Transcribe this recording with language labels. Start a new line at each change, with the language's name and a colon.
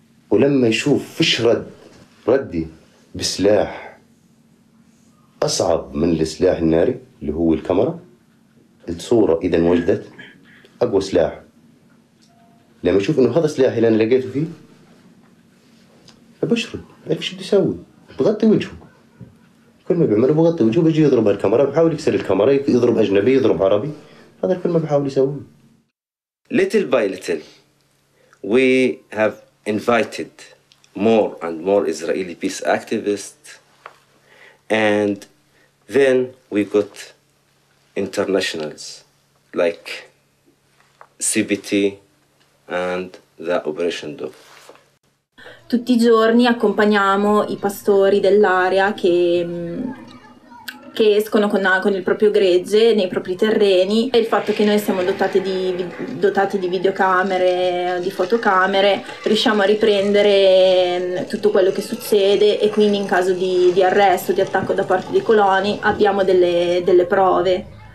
Arabic: ولما يشوف فش رد ردي بسلاح أصعب من السلاح الناري اللي هو الكاميرا الصورة إذا وجدت أقوى سلاح لما يشوف إنه هذا سلاح اللي أنا لقيته فيه أبشرد أعرف شو بدي أسوي بغطي وجهه كل ما بيعمله بغطي وجهه بيجي يضرب الكاميرا بحاول يكسر الكاميرا يضرب أجنبي يضرب عربي هذا كل ما بحاول يسوي
English: little by little we have invited more and more Israeli peace activists, and then we got internationals like CBT and the Operation Dove.
Italian: Tutti i giorni accompagniamo i pastori dell'area che escono con il proprio gregge nei propri terreni e il fatto che noi siamo dotati di videocamere, di fotocamere, riusciamo a riprendere tutto quello che succede e quindi in caso di arresto, di attacco da parte dei coloni abbiamo delle prove.